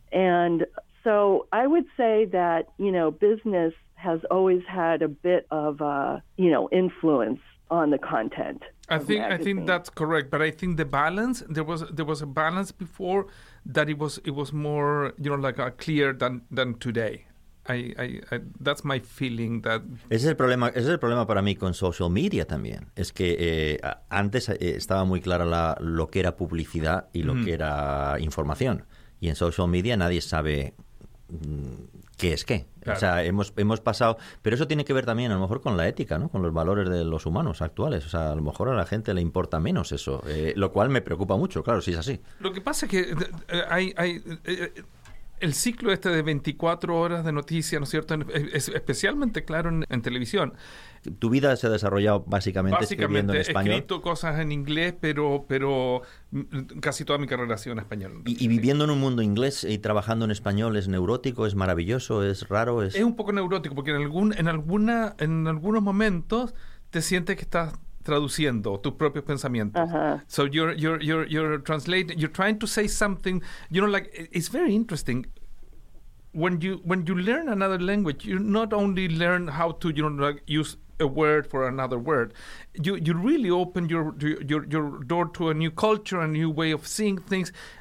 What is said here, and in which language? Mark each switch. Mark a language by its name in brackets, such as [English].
[English] And so I would say that, you know, business has always had a bit of, influence on the content. I think that's correct, but I think the balance, there was a balance before that it was more, you know, like a clear than today. I that's my feeling. That [Spanish] ese es el problema para mí con social media también, es que antes estaba muy clara lo que era publicidad y lo que era información, y en social media nadie sabe qué es qué. Claro. O sea, hemos pasado, pero eso tiene que ver también a lo mejor con la ética, ¿no? Con los valores de los humanos actuales. O sea, a lo mejor a la gente le importa menos eso, lo cual me preocupa mucho, claro, si es así. Lo que pasa es que hay el ciclo este de 24 horas de noticias, ¿no es cierto? Es especialmente claro en televisión. Tu vida se ha desarrollado básicamente escribiendo en español. Básicamente, escrito cosas en inglés, pero casi toda mi carrera ha sido en español. ¿Y viviendo en un mundo inglés y trabajando en español es neurótico, es maravilloso, es raro? Es un poco neurótico, porque en algunos momentos te sientes que estás traduciendo tus propios pensamientos. Uh-huh. [English] So you're translating, you're trying to say something, you know, like, it's very interesting. When you learn another language, you not only learn how to, you know, like, use a word for another word, you really open your door to a new culture, a new way of seeing things.